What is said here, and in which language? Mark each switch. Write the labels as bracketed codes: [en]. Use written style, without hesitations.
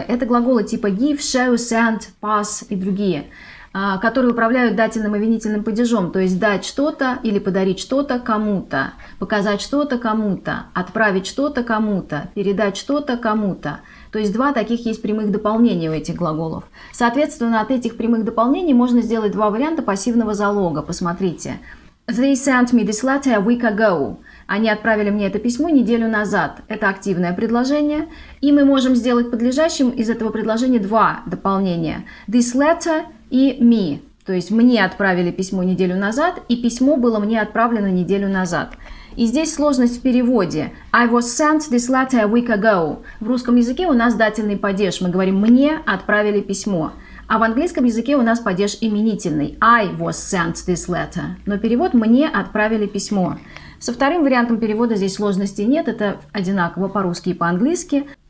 [ru] Это глаголы типа give, show, send, pass и другие, которые управляют дательным и винительным падежом, то есть дать что-то или подарить что-то кому-то, показать что-то кому-то, отправить что-то кому-то, передать что-то кому-то. То есть два таких есть прямых дополнения у этих глаголов. Соответственно, от этих прямых дополнений можно сделать два варианта пассивного залога. Посмотрите. [en] They sent me this letter a week ago. [ru] Они отправили мне это письмо неделю назад. Это активное предложение. И мы можем сделать подлежащим из этого предложения два дополнения. [en] This letter и me. [ru] То есть мне отправили письмо неделю назад, и письмо было мне отправлено неделю назад. И здесь сложность в переводе. [en] I was sent this letter a week ago. [ru] В русском языке у нас дательный падеж. Мы говорим «мне отправили письмо». А в английском языке у нас падеж именительный. [en] I was sent this letter. [ru] Но перевод «мне отправили письмо». Со вторым вариантом перевода здесь сложности нет. Это одинаково по-русски и по-английски.